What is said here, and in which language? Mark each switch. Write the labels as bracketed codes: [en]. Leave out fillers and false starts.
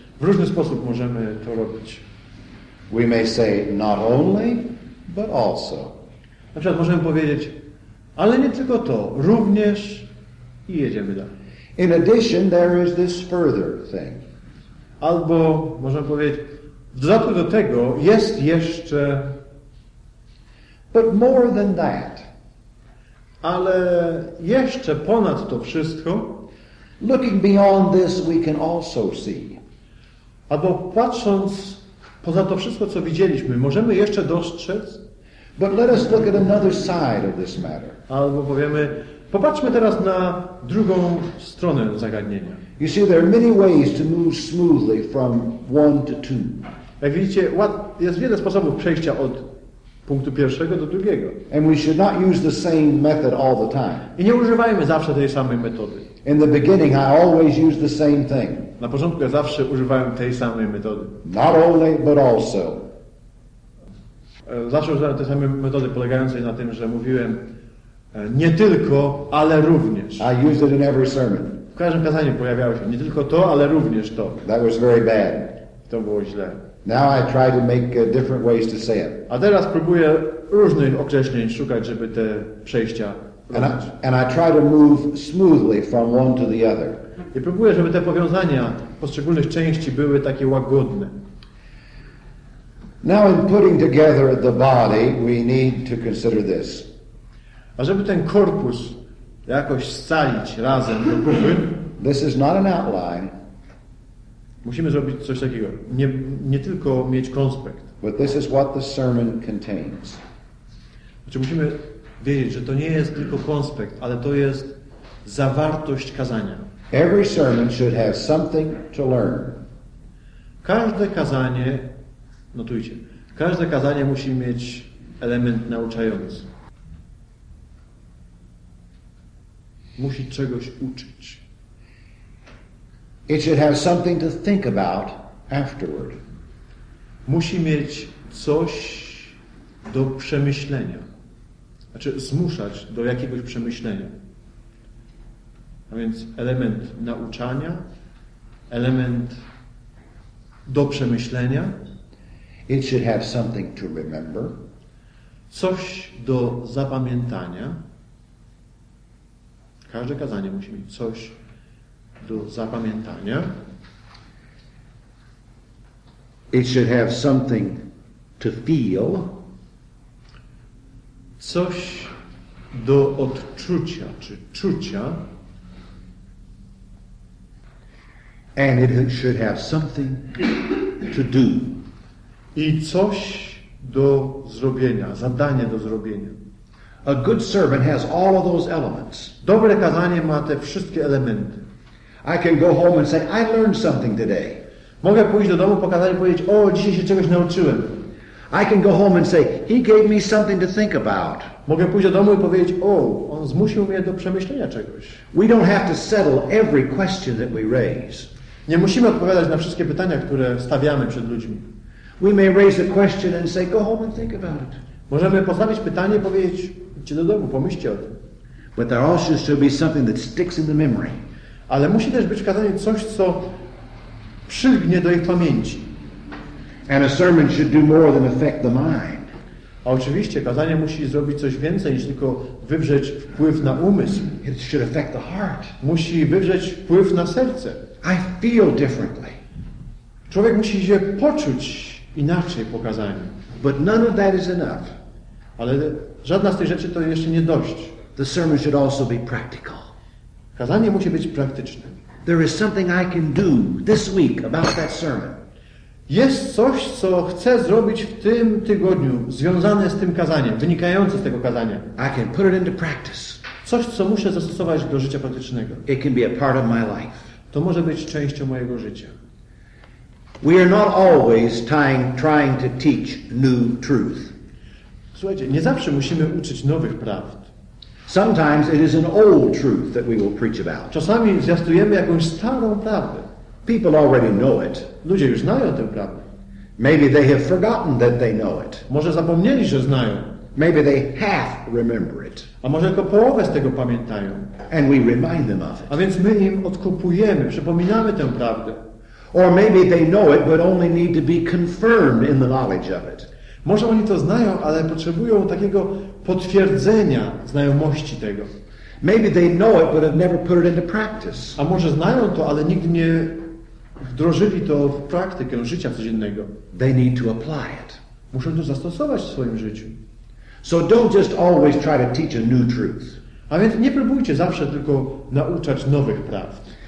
[pl] W różny sposób możemy to robić. [en] We may say not only, but also. [pl] Na przykład możemy powiedzieć, ale nie tylko to, również i jedziemy dalej. [en] In addition, there is this further thing. [pl] Albo możemy powiedzieć, w dodatku do tego jest jeszcze. [en] But more than that. [pl] Ale jeszcze ponad to wszystko. [en] Looking beyond this, we can also see. [pl] Albo patrząc poza to wszystko, co widzieliśmy, możemy jeszcze dostrzec. [en] But let us look at another side of this matter. [pl] Albo powiemy, popatrzmy teraz na drugą stronę zagadnienia. [en] You see, there are many ways to move smoothly from one to two. [pl] Jak widzicie, jest wiele sposobów przejścia od punktu pierwszego do drugiego. [en] And we should not use the same method all the time. [pl] I nie używajmy zawsze tej samej metody. [en] In the beginning, I always use the same thing. [pl] Na początku ja zawsze używałem tej samej metody. [en] Not only, but also. [pl] Zawsze używałem tej samej metody polegającej na tym, że mówiłem nie tylko, ale również. [en] I used it in every sermon. [pl] W każdym kazaniu pojawiało się nie tylko to, ale również to. [en] That was very bad. [pl] To było źle. [en] Now I try to make different ways to say it. [pl] A teraz próbuję różnych określeń szukać, żeby te przejścia. [en] And I try to move smoothly from one to the other. [pl] I próbuję, żeby te powiązania poszczególnych części były takie łagodne. [en] Now in putting together the body, we need to consider this. [pl] A żeby ten korpus jakoś scalić razem do kupy, [en] this is not an outline. [pl] Musimy zrobić coś takiego. Nie tylko mieć konspekt. [en] But this is what the sermon contains. [pl] Znaczy musimy wiedzieć, że to nie jest tylko konspekt, ale to jest zawartość kazania. [en] Every sermon should have something to learn. [pl] Każde kazanie, notujcie, każde kazanie musi mieć element nauczający. Musi czegoś uczyć. [en] It should have something to think about afterward. [pl] Musi mieć coś do przemyślenia. Znaczy zmuszać do jakiegoś przemyślenia. A więc element nauczania, element do przemyślenia. [en] It should have something to remember. [pl] Coś do zapamiętania. Każde kazanie musi mieć coś do zapamiętania. [en] It should have something to feel. [pl] Coś do odczucia, czy czucia. [en] And it should have something to do. [pl] I coś do zrobienia, zadanie do zrobienia. [en] A good sermon has all of those elements. [pl] Dobre kazanie ma te wszystkie elementy. [en] I can go home and say, I learned something today. [pl] Mogę pójść do domu po kazaniu i powiedzieć, o, dzisiaj się czegoś nauczyłem. [en] I can go home and say, he gave me something to think about. [pl] Mogę pójść do domu i powiedzieć, o, on zmusił mnie do przemyślenia czegoś. [en] We don't have to settle every question that we raise. [pl] Nie musimy odpowiadać na wszystkie pytania, które stawiamy przed ludźmi. [en] We may raise a question and say, go home and think about it. [pl] Możemy postawić pytanie i powiedzieć, idźcie do domu, pomyślcie o tym. [en] But there also should be something that sticks in the memory. [pl] Ale musi też być w kazaniu coś, co przylgnie do ich pamięci. [en] And a sermon should do more than affect the mind. [pl] A oczywiście, kazanie musi zrobić coś więcej niż tylko wywrzeć wpływ na umysł. [en] It should affect the heart. [pl] Musi wywrzeć wpływ na serce. [en] I feel differently. [pl] Człowiek musi się poczuć inaczej po kazaniu. [en] But none of that is enough. [pl] Ale żadna z tych rzeczy to jeszcze nie dość. [en] The sermon should also be practical. [pl] Kazanie musi być praktyczne. [en] There is something I can do this week about that sermon. [pl] Jest coś, co chcę zrobić w tym tygodniu, związane z tym kazaniem, wynikające z tego kazania. [en] I can put it into practice. [pl] Coś, co muszę zastosować do życia praktycznego. [en] It can be a part of my life. [pl] To może być częścią mojego życia. [en] We are not always trying to teach new truth. [pl] Słuchajcie, nie zawsze musimy uczyć nowych prawd. [en] Sometimes it is an old truth that we will preach about. [pl] Czasami zwiastujemy jakąś starą prawdę. [en] People already know it. [pl] Ludzie już znają tę prawdę. [en] Maybe they have forgotten that they know it. [pl] Może zapomnieli, że znają. [en] Maybe they half remember it. [pl] A może tylko połowę z tego pamiętają. [en] And we remind them of it. [pl] A więc my im odkupujemy, przypominamy tę prawdę. [en] Or maybe they know it, but only need to be confirmed in the knowledge of it. [pl] Może oni to znają, ale potrzebują takiego potwierdzenia znajomości tego. [en] Maybe they know it, but have never put it into practice. [pl] A może znają to, ale nigdy nie wdrożyli to w praktykę życia codziennego. [en] They need to apply it. [pl] Muszą to zastosować w swoim życiu. [en] So don't just always try to teach a new truth. [pl] A więc nie próbujcie zawsze tylko nauczać nowych prawd.